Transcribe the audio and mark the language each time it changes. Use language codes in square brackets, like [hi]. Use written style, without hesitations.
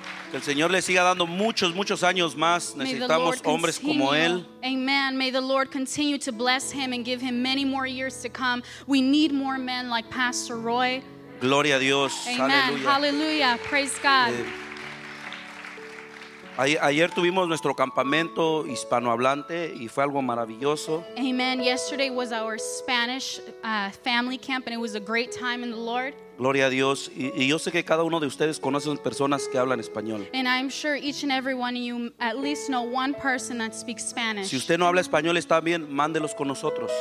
[es] Que el Señor le siga dando muchos, muchos años más. Necesitamos hombres como Él. [en] Amen. May the Lord continue to bless him and give him many more years to come. We need more men like Pastor Roy. [es] Gloria a Dios. [en] Amen. Hallelujah. Praise God. [es] Ayer tuvimos nuestro campamento hispanohablante y fue algo maravilloso. [en] Amen. Yesterday was our Spanish family camp and it was a great time in the Lord. [es] Gloria a Dios. Y yo sé que cada uno de ustedes conocen personas que hablan español. [en] And I'm sure each and every one of you at least know one person that speaks Spanish. [es] Si usted no habla español, está bien, mándelos con nosotros.